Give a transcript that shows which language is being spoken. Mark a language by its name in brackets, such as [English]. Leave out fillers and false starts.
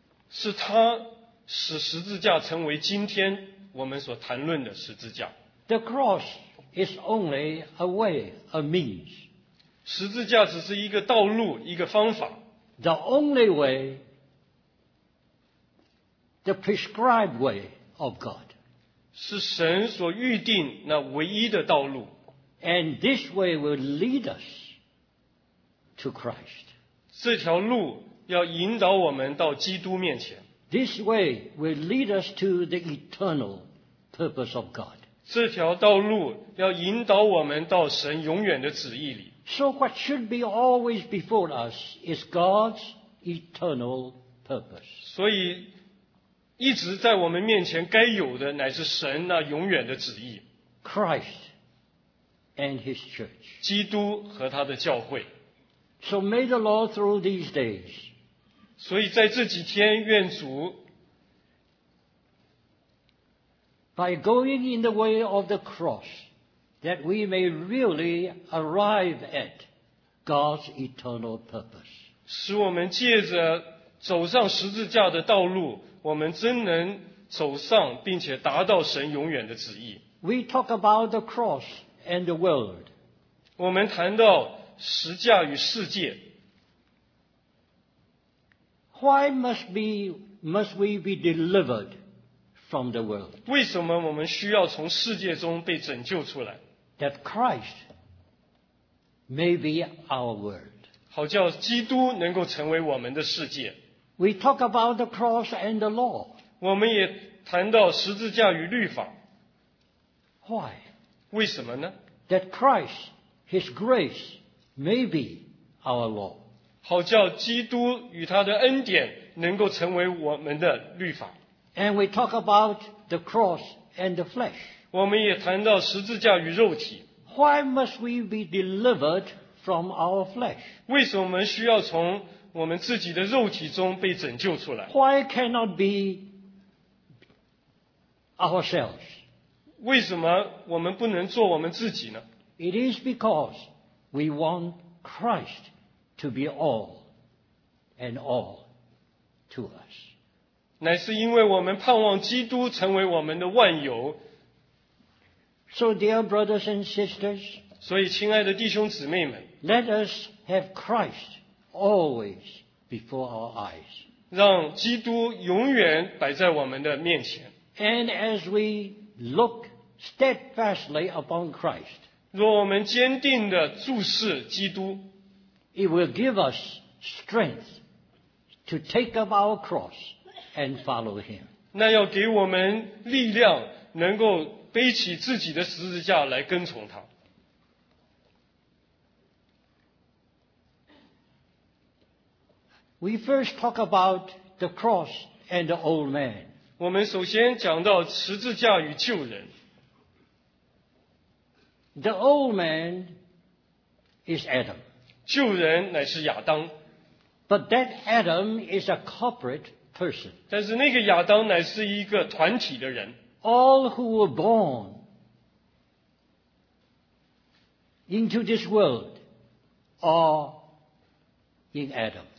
[Chinese] 是他使十字架成为今天我们所谈论的十字架。 [English] The cross. Is only a way, a means. [Chinese] 十字架只是一个道路，一个方法。 [English] The only way, the prescribed way of God. [Chinese] 是神所预定那唯一的道路。 [English] And this way will lead us to Christ. [Chinese] 这条路要引导我们到基督面前。 [English] This way will lead us to the eternal purpose of God. [Chinese] 这条道路要引导我们到神永远的旨意里。 [English] So what should be always before us is God's eternal purpose. [Chinese] 所以一直在我们面前该有的乃是神那永远的旨意。 [English] Christ and His church. [Chinese] 基督和他的教会。 [English] So may the Lord through these days. [Chinese] 所以在这几天愿主 [English] By going in the way of the cross, that we may really arrive at God's eternal purpose. [Chinese] 使我们借着走上十字架的道路，我们真能走上并且达到神永远的旨意。 [English] We talk about the cross and the world. [Chinese] 我们谈到十字架与世界。 [English] Why must we be delivered? From the world. [Chinese] 为什么我们需要从世界中被拯救出来 [English] ？That Christ may be our world. [Chinese] 好叫基督能够成为我们的世界。 [English] We talk about the cross and the law. [Chinese] 我们也谈到十字架与律法。 [English] Why? [Chinese] 为什么呢 [English] ？That Christ, His grace may be our law. [Chinese] 好叫基督与他的恩典能够成为我们的律法。 [English] And we talk about the cross and the flesh. [Chinese] 我们也谈到十字架与肉体。 [English] Why must we be delivered from our flesh? [Chinese] 为什么我们需要从我们自己的肉体中被拯救出来？ [English] Why cannot be ourselves? [Chinese] 为什么我们不能做我们自己呢？ [English] It is because we want Christ to be all and all to us. [Chinese] 乃是因为我们盼望基督成为我们的万有。 [English] So, dear brothers and sisters, [Chinese] 所以亲爱的弟兄姊妹们 [English] ，Let us have Christ always before our eyes. [Chinese] 让基督永远摆在我们的面前。 [English] And as we look steadfastly upon Christ, [Chinese] 若我们坚定地注视基督 [English] ，It will give us strength to take up our cross. And follow him. [Chinese] 那要给我们力量，能够背起自己的十字架来跟从他。 [English] We first talk about the cross and the old man. [Chinese] 我们首先讲到十字架与旧人。 [English] The old man is Adam. [Chinese] 旧人乃是亚当。 [English] But that Adam is a corporate. Person. [Chinese] 但是那个亚当乃是一个团体的人。 [English] All who were born into this world are in Adam.